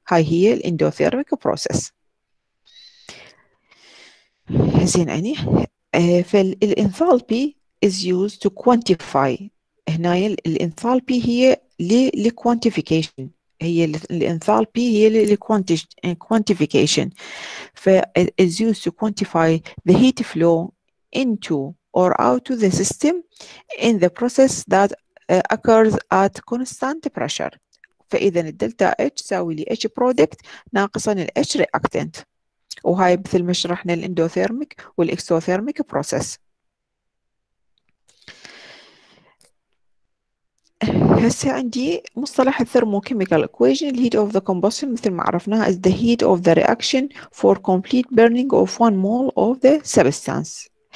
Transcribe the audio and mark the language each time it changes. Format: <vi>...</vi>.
<ar>هاي هي الاندوثيرميك بروسيس. زين اني</ar> <en>فالإنثالبي is used to quantify.</en> <ar>هنا الإنثالبي هي للquantification، هي الإنثالبي هي للquantification.</ar> <en>ف is used to quantify the heat flow into or out of the system in the process that occurs at constant pressure.</en> <ar>فإذا الدلتا H تساوي لي H product ناقصا ال H reactant، وهاي مثل ما شرحنا الاندوثيرميك والاكسوثيرميك بروسيس. هسه عندي مصطلح</ar> <en>الثيرموكيميكال اكويجن. الهيت of the combustion مثل ما عرفناها as the heat of the reaction for complete burning of 1 mole of the substance.</en>